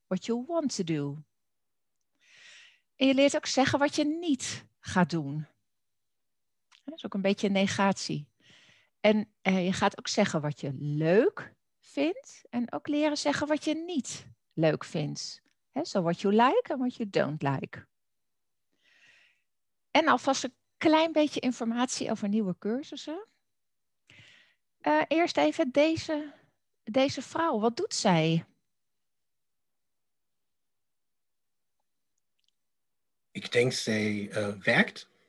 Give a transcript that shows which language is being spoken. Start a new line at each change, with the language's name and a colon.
English: What you want to do.
Dutch: En je leert ook zeggen wat je niet gaat doen. Dat is ook een beetje negatie. En je gaat ook zeggen wat je leuk vindt. En ook leren zeggen wat je niet leuk vindt.
English: So what you like and what you don't like.
Dutch: En alvast een klein beetje informatie over nieuwe cursussen. Eerst even deze vrouw. Wat doet zij? Ik denk zij werkt.